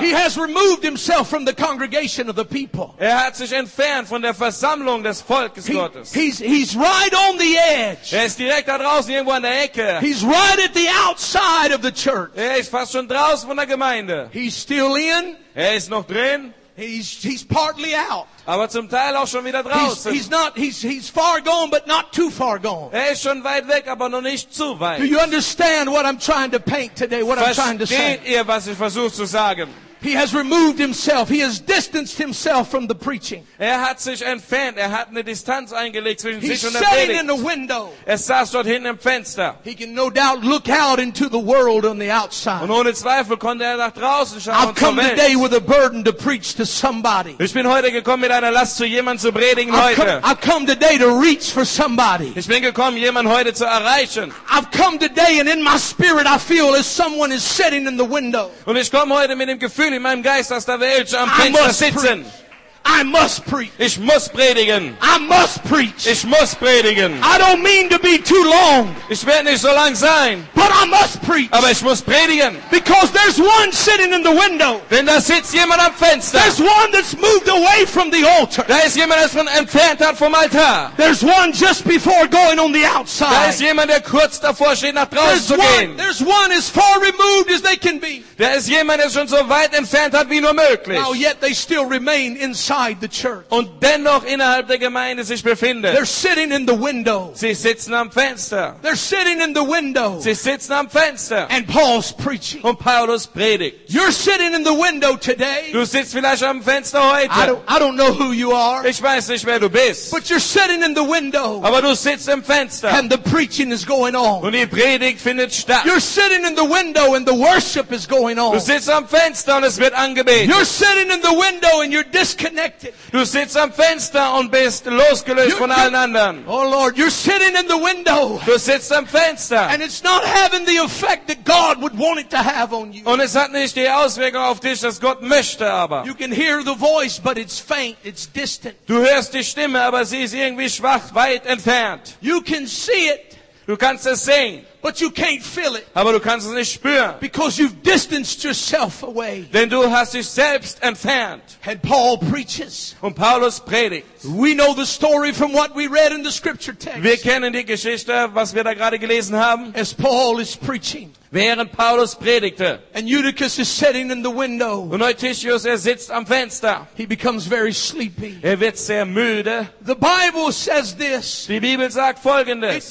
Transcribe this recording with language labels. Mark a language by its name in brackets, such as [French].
[English] He has removed himself from the congregation of the people. [German] Er hat sich entfernt von der Versammlung des Volkes Gottes. [English] He's right on the edge. [German] Er ist direkt da draußen irgendwo an der Ecke. [English] He's right at the outside of the church. [German] Er ist fast schon draußen von der Gemeinde. [English] He's still in. [German] Er ist noch drin. [English] He's partly out. [German] Aber zum Teil auch schon wieder draußen. [English] He's far gone, but not too far gone. [German] Er ist schon weit weg, aber noch nicht zu weit. [English] Do you understand what I'm trying to paint today? What [German] Versteht [English] I'm trying to say? [German] Versteht ihr, was ich versuche zu sagen? [English] He has removed himself. He has distanced himself from the preaching. [German] Er hat sich entfernt. Er hat eine Distanz eingelegt zwischen [English] He's [German] sich und der Predigt. [English] Sitting in the window. [German] Er saß dort hinten im Fenster. [English] He can no doubt look out into the world on the outside. [German] Und ohne Zweifel konnte er nach draußen schauen. [English] I've come today with a burden to preach to somebody. [German] Ich bin heute gekommen mit einer Last, zu jemand zu predigen heute. [English] I've come today to reach for somebody. [German] Ich bin gekommen, jemand heute zu erreichen. [English] I've come today and in my spirit I feel as someone is sitting in the window. [German] Und ich komme heute mit dem Gefühl, in meinem Geist, dass da welche am Fenster sitzen. [English] I must preach. [German] Ich muss predigen. [English] I must preach. [German] Ich muss predigen. [English] I don't mean to be too long. [German] Ich werde nicht so lang sein. [English] But I must preach. [German] Aber ich muss predigen. [English] Because there's one sitting in the window. [German] Denn da sitzt jemand am Fenster. [English] There's one that's moved away from the altar. [German] Da ist jemand, der schon entfernt hat vom Altar. [English] There's one just before going on the outside. [German] Da ist jemand, der kurz davor steht, nach draußen zu gehen. [English] There's one as far removed as they can be. [German] Da ist jemand, der schon so weit entfernt hat wie nur möglich. [English] Now yet they still remain inside. The church. [German] Und dennoch innerhalb der Gemeinde sich befindet. [English] They're sitting in the window. [German] Sie sitzen am Fenster. [English] They're sitting in the window. [German] Sie sitzen am Fenster. [English] And Paul's preaching. [German] Und Paulus predigt. [English] You're sitting in the window today. [German] Du sitzt vielleicht am Fenster heute. [English] I don't know who you are. [German] Ich weiß nicht, wer du bist. [English] But you're sitting in the window. [German] Aber du sitzt am Fenster. [English] And the preaching is going on. [German] Und die Predigt findet statt. [English] You're sitting in the window and the worship is going on. [German] Du sitzt am Fenster und es wird angebetet. [English] You're sitting in the window and you're disconnected. [German] Du sitzt am Fenster und bist losgelöst von allen anderen. [English] Oh Lord, you're sitting in the window. [German] Du sitzt am Fenster. [English] And it's not having the effect that God would want it to have on you. [German] Und es hat nicht die Auswirkung auf dich, das Gott möchte, aber. [English] You can hear the voice, but it's faint, it's distant. [German] Du hörst die Stimme, aber sie ist irgendwie schwach, weit entfernt. [English] You can see it. [German] Du kannst es sehen. [English] But you can't feel it. [German] Aber du kannst es nicht spüren. [English] Because you've distanced yourself away. [German] Denn du hast dich selbst entfernt. [English] And Paul preaches. [German] Und Paulus predigt. [English] We know the story from what we read in the scripture text. [German] Wir kennen die Geschichte, was wir da gerade gelesen haben. [English] As Paul is preaching. [German] Während Paulus predigte. [English] And Eutychus is sitting in the window. [German] Und Eutychus, er sitzt am Fenster. [English] He becomes very sleepy. [German] Er wird sehr müde. [English] The Bible says this. [German] Die Bibel sagt Folgendes.